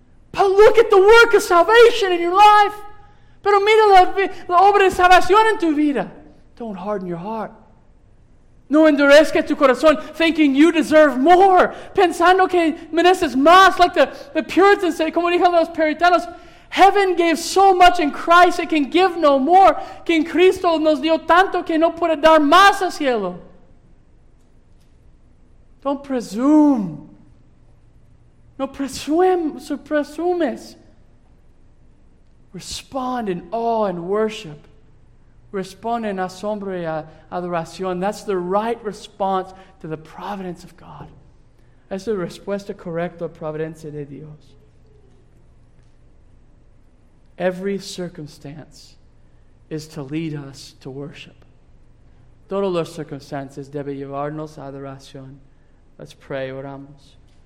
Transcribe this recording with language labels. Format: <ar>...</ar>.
<en>But look at the work of salvation in your life.</en> <es>Pero mira la obra de salvación en tu vida.</es> <en>Don't harden your heart.</en> <es>No endurezca tu corazón</es> <en>thinking you deserve more.</en> <es>Pensando que mereces más.</es> <en>Like the Puritans say,</en> <es>como dijeron los puritanos,</es> <en>heaven gave so much in Christ it can give no more.</en> <es>Que en Cristo nos dio tanto que no puede dar más al cielo.</es> <en>Don't presume.</en> <es>No presumes.</es> <en>Respond in awe and worship.</en> <es>Respond en asombro y adoración.</es> <en>That's the right response to the providence of God.</en> <es>Es la respuesta correcta a la providencia de Dios.</es> <en>Every circumstance is to lead us to worship.</en> <es>Todas las circunstancias deben llevarnos a adoración.</es> <en>Let's pray,</en> <es>oramos.</es>